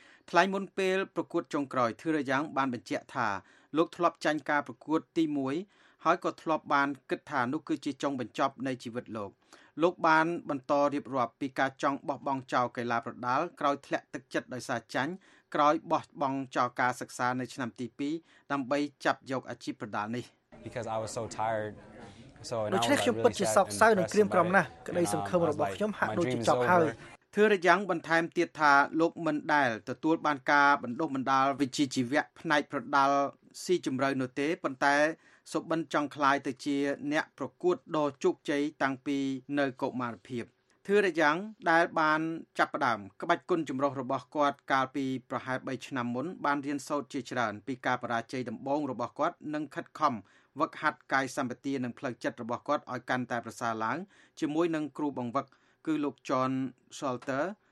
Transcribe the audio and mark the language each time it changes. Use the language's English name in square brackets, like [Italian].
[Khmer] ថ្លៃមុនពេលប្រកួតចុងក្រោយធឺរ៉ាយ៉ាងបានបញ្ជាក់ថាលោកធ្លាប់ចាញ់ការប្រកួតទី1ហើយក៏ធ្លាប់បានគិតថានោះគឺជាចុងបញ្ចប់នៃជីវិតលោកលោកបានបន្តរៀបរាប់ពីការចង់បោះបង់ចោលកីឡាប្រដាល់ក្រោយធ្លាក់ទឹកចិត្តដោយសារចាញ់ក្រោយបោះបង់ចោលការសិក្សានៅឆ្នាំទី2ដើម្បីចាប់យកអាជីពប្រដាល់នេះ [English] Because I was so tired so and all [Khmer] ខ្ញុំពិតជាសោកសៅនិងក្រៀមក្រំណាស់ក្តីសង្ឃឹមរបស់ខ្ញុំហាក់ដូចជាចប់ហើយ ធឺរយ៉ាងបន្ថែមទៀតថាលោកមិនដែលទទួលបានការបណ្ដុះបណ្ដាលវិជ្ជាជីវៈផ្នែកប្រដាល់ស៊ីជម្រៅនោះទេប៉ុន្តែ សុបិនចង់ខ្លាយទៅជាអ្នកប្រកួតដ៏ជោគជ័យតាំងពីនៅកុមារភាពធឺរយ៉ាងដែលបានចាប់ផ្ដើមក្បាច់គុណចម្រុះរបស់គាត់កាលពីប្រហែល3ឆ្នាំមុនបានរៀនសូត្រជាច្រើនពីការបរាជ័យដំបូងរបស់គាត់និងខិតខំវឹកហាត់កាយសម្បទានិងផ្លូវចិត្តរបស់គាត់ឲ្យកាន់តែប្រសើរឡើងជាមួយនឹងគ្រូបង្វឹកគឺលោក John Salter